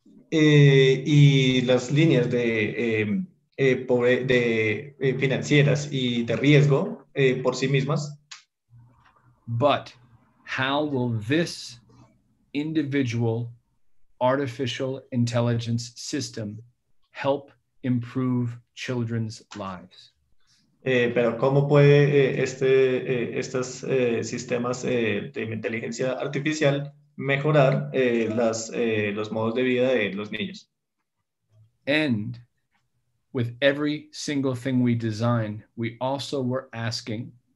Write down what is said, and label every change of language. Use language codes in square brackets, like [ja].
[es] Y las líneas de financieras y de riesgo por sí mismas. [en] But how will this individual artificial intelligence system help improve children's lives? [es] Pero cómo puede estos sistemas de inteligencia artificial mejorar los modos de vida de los niños? [en] And with every single thing we design, we also were asking.